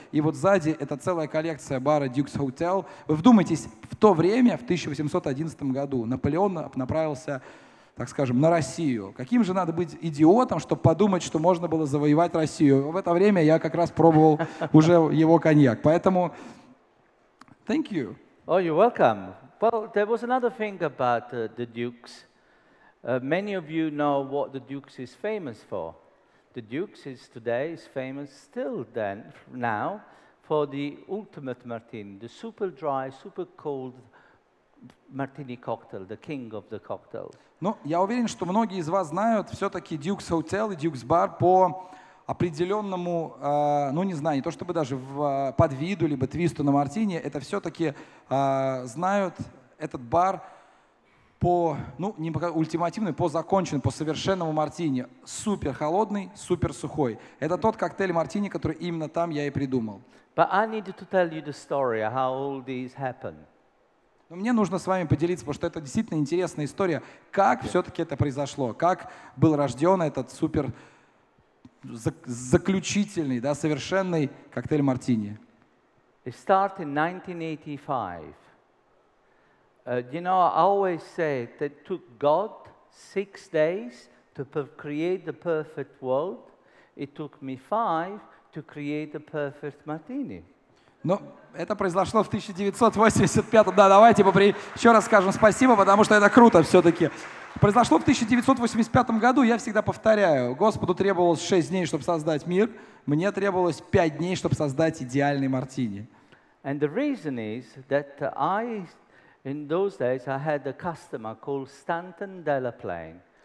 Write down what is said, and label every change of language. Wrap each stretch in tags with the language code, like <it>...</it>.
<ru>И вот сзади это целая коллекция бара Duke's Hotel. Вы вдумайтесь, в то время, в 1811 году, Наполеон направился, так скажем, на Россию. Каким же надо быть идиотом, чтобы подумать, что можно было завоевать Россию? В это время я как раз пробовал уже его коньяк. Поэтому,</ru> <en>thank you. Oh, you're welcome. Well, there was another thing about the Dukes. Many of you know what the Dukes is famous for. The Dukes is today is famous still then, now, for the ultimate martini, the super dry, super cold martini cocktail, the king of the cocktails.</en> <ru>Ну, я уверен, что многие из вас знают все-таки Duke's Hotel и Duke's Bar по определенному, ну не знаю, не то чтобы даже под виду, либо твисту на мартини, это все-таки знают этот бар по, ну не по ультимативной, по законченному, по совершенному мартини. Супер холодный, супер сухой. Это тот коктейль мартини, который именно там я и придумал.</ru> <en>But I need to tell you the story, how all this happened.</en> <ru>Но мне нужно с вами поделиться, потому что это действительно интересная история, как все-таки это произошло, как был рожден этот супер заключительный, да, совершенный коктейль мартини.</ru> <en>It started in 1985. You know, I always say that it took God 6 days to create the perfect world. It took me 5 to create the perfect martini.</en> <ru>Но это произошло в 1985, да, давайте еще раз скажем спасибо, потому что это круто все-таки. Произошло в 1985 году, я всегда повторяю, Господу требовалось 6 дней, чтобы создать мир, мне требовалось 5 дней, чтобы создать идеальный мартини.</ru> <en>And the reason is that I, in those days, I had a customer called Stanton Delaplane.</en>